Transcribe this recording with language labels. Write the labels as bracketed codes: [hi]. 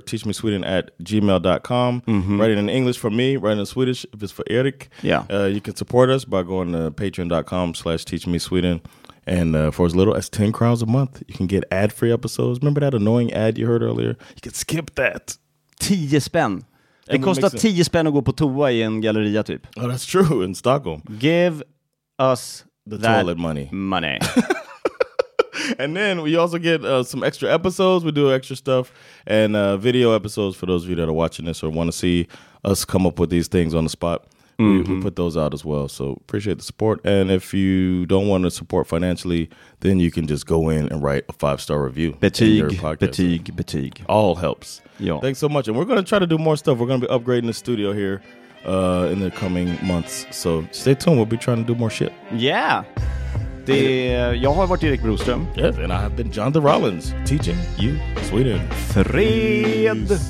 [en] teachmesweden@gmail.com. Mm-hmm. Writing in English for me, writing in Swedish if it's for Eric. Yeah. You can support us by going to patreon.com/teachmesweden. And for as little as 10 crowns a month, you can get ad-free episodes. Remember that annoying ad you heard earlier? You can skip that. [sv] 10 spänn. Det kostar 10 spänn att gå på toa i en galleria typ. [en] Oh, that's true, in Stockholm. Give us the toilet money. Money. And then we also get some extra episodes. We do extra stuff and video episodes for those of you that are watching this or want to see us come up with these things on the spot. Mm-hmm. We put those out as well. So appreciate the support. And if you don't want to support financially, then you can just go in and write a 5-star review. [sv] Betyg. [en] All helps. Yo. Thanks so much. And we're going to try to do more stuff. We're going to be upgrading the studio here in the coming months. So stay tuned. We'll be trying to do more shit. Yeah. [sv] Jag har varit Erik Broström. [en] Yes, and I have been John the Rollins, teaching you Sweden. [sv] Fred.